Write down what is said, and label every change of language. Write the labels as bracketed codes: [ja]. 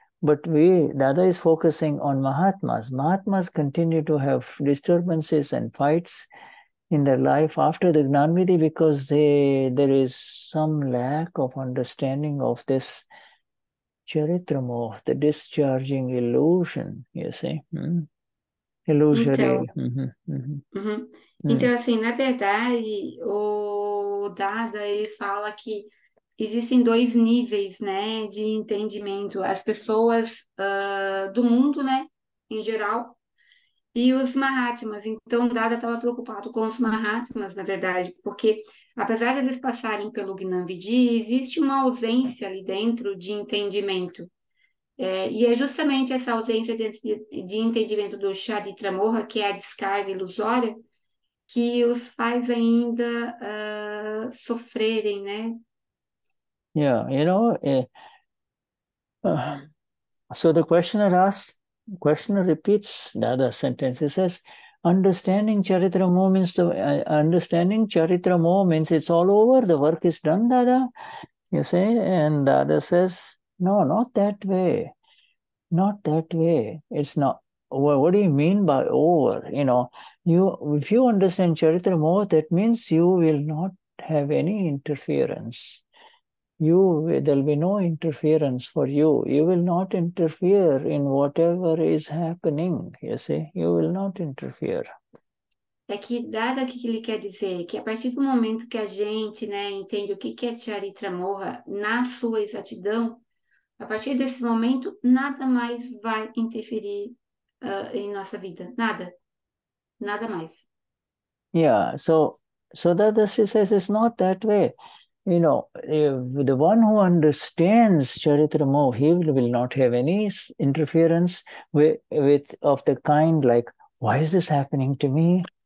[en] But Dada is focusing on Mahatmas. Mahatmas continue to have disturbances and fights in their life after the Gnanvidhi, because there is some lack of understanding of this Charitra Moha, the discharging illusion, you see. Ilusory. [pt] Então, então, assim, na verdade, o Dada, ele fala que existem dois níveis, né, de entendimento. As pessoas do mundo, né, em geral, e os Mahatmas. Então, Dada estava preocupado com os Mahatmas, na verdade, porque, apesar de eles passarem pelo Gnanvidi, existe uma ausência ali dentro de entendimento. É, e é justamente essa ausência de entendimento do Charitra Moha, que é a descarga ilusória, que os faz ainda sofrerem, né? [en] Yeah, you know, so the questioner asks, questioner repeats the other sentence. He says, understanding Charitra Moha means, understanding Charitra Moha means it's all over, the work is done, Dada. You say, and Dada says, no, not that way. Not that way. It's not, well, what do you mean by over? You know, you, if you understand Charitra Moha, that means you will not have any interference. You, there'll be no interference for you. You will not interfere in whatever is happening, you see. You will not interfere. [pt] É que, dado o que ele quer dizer, que a partir do momento que a gente, né, entende o que é Charitra Moha na sua exatidão, a partir desse momento, nada mais vai interferir em nossa vida. Nada. Nada mais. [en] Yeah, so that she says it's not that way. You know, the one who understands Charitra Moha, he will not have any interference with of the kind like, why is this happening to me?